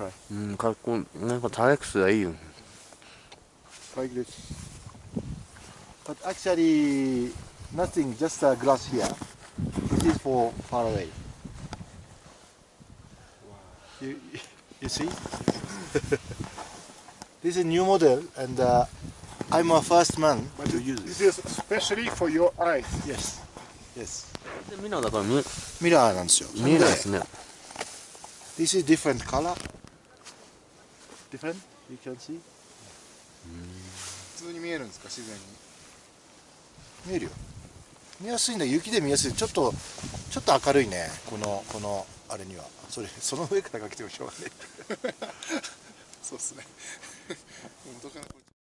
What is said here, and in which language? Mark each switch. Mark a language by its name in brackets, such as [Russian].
[Japanese] うん、かっこいい。なんかタレックスがいいよ。はい、です。 [English] But actually, nothing, just a glass here. This is for far away. You see? This is new model, and I'm a first man to use it. This is specially for your eyes. Yes. Yes. [Japanese] ミラーだから、ミラーなんですよ。ミラーですね。 [English] This is different color. Different? You can see? [Japanese] 普通に見えるんですか、自然に。見えるよ。見やすいんだ、雪で見やすい。ちょっと明るいね、このあれには。それその上からかけてもしょうがないそうっすね元からこれ。